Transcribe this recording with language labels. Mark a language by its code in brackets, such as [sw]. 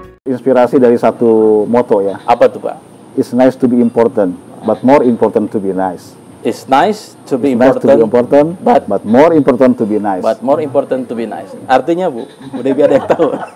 [id] Inspirasi dari satu moto ya. Apa tuh Pak? [en] It's nice to be important, but more important to be nice. It's nice to be important. It's nice to be important, but more important to be nice. But more important to be nice. [id] Artinya Bu, udah biar ada yang tahu.